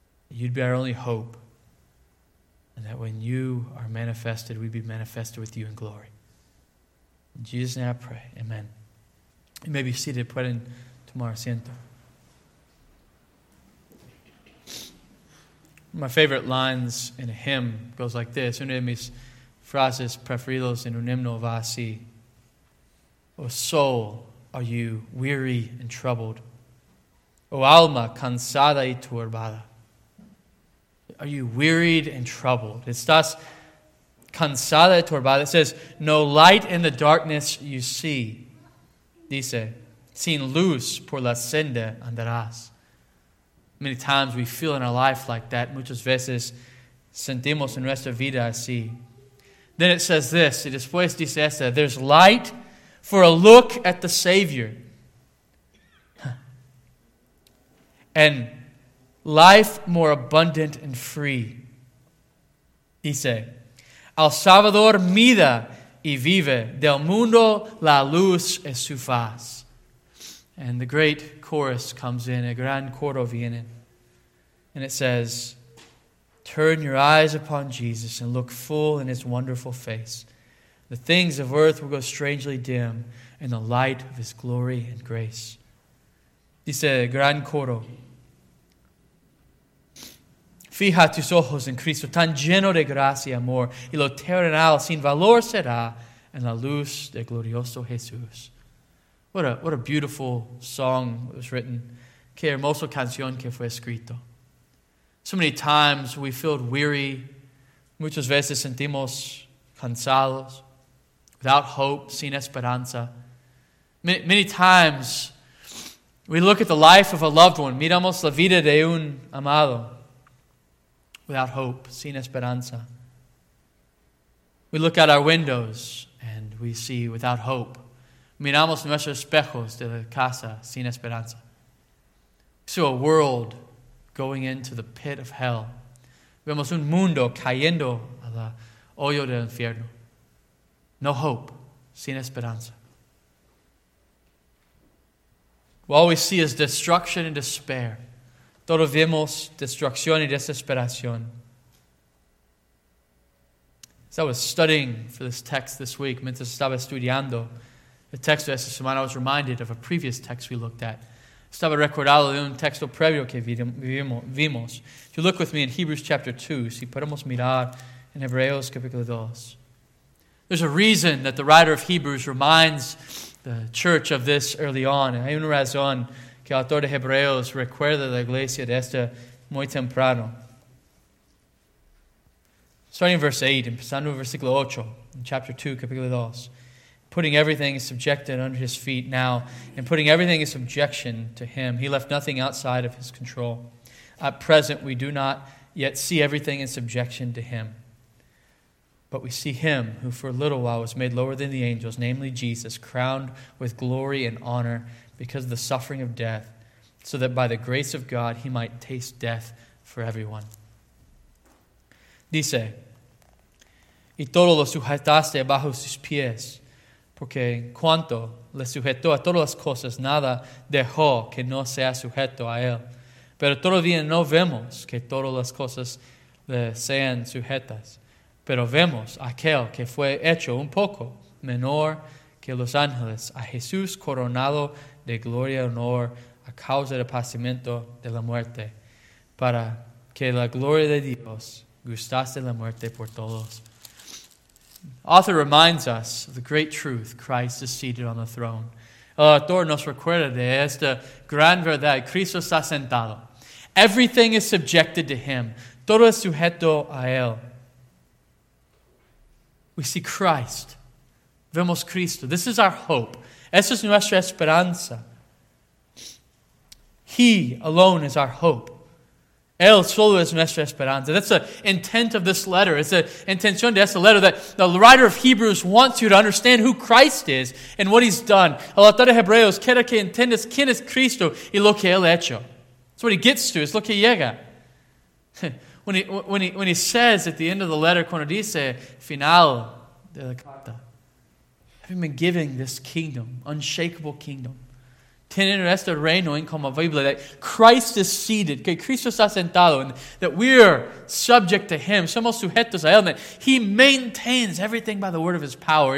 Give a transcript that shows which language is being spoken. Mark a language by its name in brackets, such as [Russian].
[English] You'd be our only hope, and that when you are manifested, we'd be manifested with you in glory. In Jesus' name I pray, amen. You may be seated. [Spanish] Pueden tomar asiento. [English] My favorite lines in a hymn goes like this. [Spanish] Una de mis frases preferidas en un himno va así. [English] O soul, are you weary and troubled? [Spanish] O alma, cansada y turbada. [English] Are you wearied and troubled? [Spanish] Estás cansada y turbada. [English] It says, no light in the darkness you see. [Spanish] Dice, sin luz por la senda andarás. [English] Many times we feel in our life like that. [Spanish] Muchas veces sentimos en nuestra vida así. [English] Then it says this. [Spanish] Y después dice esta. [English] There's light for a look at the Savior. And life more abundant and free. [Spanish] Dice, al Salvador mira y vive. Del mundo la luz es su faz. [English] And the great chorus comes in. [Spanish] A gran coro viene. [English] And it says, turn your eyes upon Jesus and look full in his wonderful face. The things of earth will go strangely dim in the light of his glory and grace. [Spanish] Dice, gran coro. Fija tus ojos en Cristo, tan lleno de gracia y amor, y lo terrenal sin valor será en la luz del glorioso Jesús. [English] What a beautiful song was written. [Spanish] Qué hermoso canción que fue escrito. [English] So many times we feel weary. [Spanish] Muchas veces sentimos cansados, [English] without hope, [Spanish] sin esperanza. [English] Many times we look at the life of a loved one. [Spanish] Miramos la vida de un amado. [English] Without hope, [Spanish] sin esperanza. [English] We look out our windows and we see without hope. [Spanish] Miramos nuestros espejos de la casa, sin esperanza. [English] So a world going into the pit of hell. [Spanish] Vemos un mundo cayendo al hoyo del infierno. [English] No hope, [Spanish] sin esperanza. [English] All we see is destruction and despair. [Spanish] Todo vemos destrucción y desesperación. [English] As I was studying for this text this week, [Spanish] mientras estaba estudiando el texto de esta semana, [English] I was reminded of a previous text we looked at. [Spanish] Estaba recordado de un texto previo que vimos. [English] If you look with me in Hebrews chapter 2, [Spanish] si podemos mirar en Hebreos capítulo 2. [English] There's a reason that the writer of Hebrews reminds the church of this early on. [Spanish] Hay una razón que el autor de Hebreos recuerda la iglesia de esta muy temprano. [English] Starting in verse 8, [Spanish] empezando en versículo 8, [English] in chapter 2, [Spanish] capítulo 2. [English] Putting everything subjected under his feet now, and putting everything in subjection to him, he left nothing outside of his control. At present, we do not yet see everything in subjection to him. But we see him who for a little while was made lower than the angels, namely Jesus, crowned with glory and honor, because of the suffering of death, so that by the grace of God he might taste death for everyone. [Spanish] Dice, y todo lo sujetaste bajo sus pies, porque cuanto le sujetó a todas las cosas, nada dejó que no sea sujeto a él. Pero todavía no vemos que todas las cosas le sean sujetas, pero vemos aquel que fue hecho un poco menor que los ángeles, a Jesús coronado de gloria y honor a causa del padecimiento de la muerte, para que la gloria de Dios gustase la muerte por todos. [English] Author reminds us of the great truth, Christ is seated on the throne. [Spanish] El autor nos recuerda de esta gran verdad, Cristo está sentado. [English] Everything is subjected to him, [Spanish] todo es sujeto a él. [English] We see Christ, [Spanish] vemos Cristo, [English] this is our hope. [Spanish] Esa es nuestra esperanza. [English] He alone is our hope. [Spanish] Él solo es nuestra esperanza. [English] That's the intent of this letter. It's the intention [Spanish] de esta [English] letter that the writer of Hebrews wants you to understand who Christ is and what he's done. [Spanish] El autor de Hebreos quiere que entiendas quién es Cristo y lo que él ha hecho. [English] That's what he gets to. It's [Spanish] lo que llega. [English] When he says at the end of the letter, [Spanish] cuando dice final de la carta, [English] having been given this kingdom, unshakable kingdom, [Spanish] tienen este reino incomovible, [English] that Christ is seated, [Spanish] que Cristo está sentado, [English] and that we are subject to him, [Spanish] somos sujetos a él, [English] that he maintains everything by the word of his power.